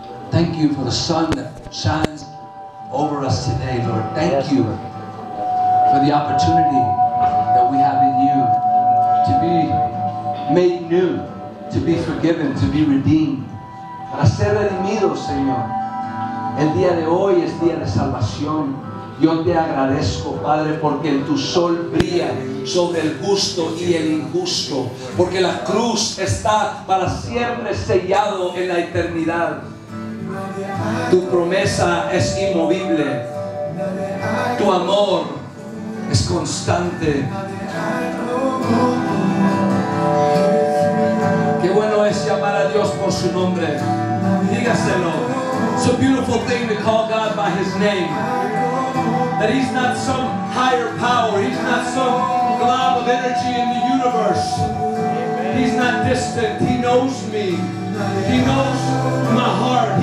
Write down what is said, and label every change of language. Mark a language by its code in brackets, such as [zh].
[en] Thank you for the sun that shines over us today, Lord. Thank you for the opportunity that we have in you to be made new, to be forgiven, to be redeemed. [es] Para ser redimido, Señor. El día de hoy es día de salvación. Yo te agradezco, Padre, porque tu sol brilla sobre el justo y el injusto. Porque la cruz está para siempre sellado en la eternidad. Tu promesa es inmovible. Tu amor es constante. Qué bueno es llamar a Dios por su nombre. Dígaselo. [en] It's a beautiful thing to call God by his name. That he's not some higher power. He's not some glob of energy in the universe. He's not distant. He knows me. He knows my heart.